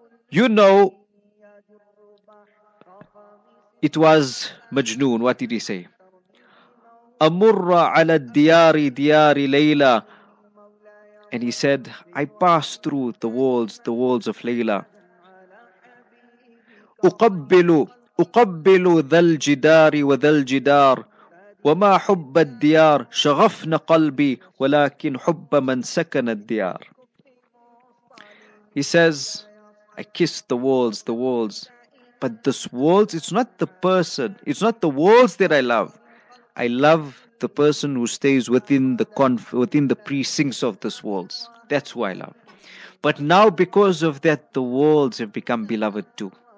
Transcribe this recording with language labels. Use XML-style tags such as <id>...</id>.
<en>You know, it was Majnoon. What did he say?</en> <ar>Amurra ala diyari diyari Layla.</ar> <en>And he said, I pass through the walls of Layla.</en> <ar>Uqabbilu. أقبل ذا الجدار وذا الجدار وما حب الديار شغفنا قلبي ولكن حب من سكن الديار.</ar> <en>He says, I kiss the walls, but this walls, it's not the person, it's not the walls that I love. I love the person who stays within the precincts of this walls. That's who I love. But now because of that, the walls have become beloved too.</en>